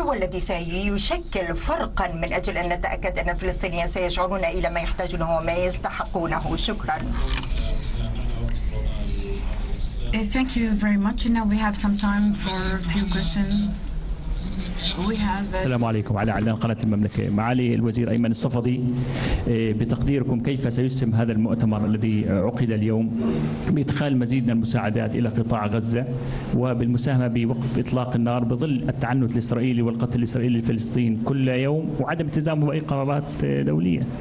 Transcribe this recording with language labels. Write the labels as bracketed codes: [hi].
[ar] والذي سيشكل فرقا من أجل أن نتأكد أن الفلسطينيين سيشعرون إلى ما يحتاجونه وما يستحقونه. شكرا. [en] Thank you very much. Now we have some time for a few questions. [ar] السلام عليكم. على إعلان قناة المملكة. معالي الوزير أيمن الصفدي، بتقديركم كيف سيسهم هذا المؤتمر الذي عقد اليوم بإدخال مزيد من المساعدات إلى قطاع غزة وبالمساهمة بوقف إطلاق النار بظل التعنت الإسرائيلي والقتل الإسرائيلي لفلسطين كل يوم وعدم التزامه بأي قرارات دولية؟